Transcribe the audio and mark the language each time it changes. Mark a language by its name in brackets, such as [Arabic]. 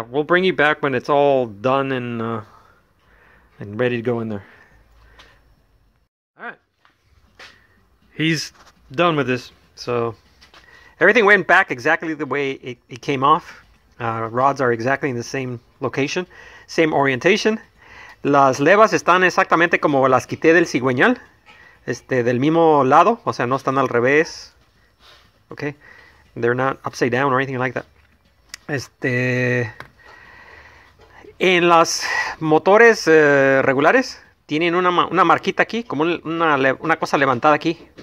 [English] We'll bring you back when it's all done and ready to go in there. All right. He's done with this. So everything went back exactly the way it came off. Rods are exactly in the same location. Same orientation. [Spanish] Las levas están exactamente como las quité del cigüeñal. Del mismo lado. O sea, no están al revés. [English] Okay, they're not upside down or anything like that. [Spanish] En las motores regulares, tienen una marquita aquí, como una cosa levantada aquí.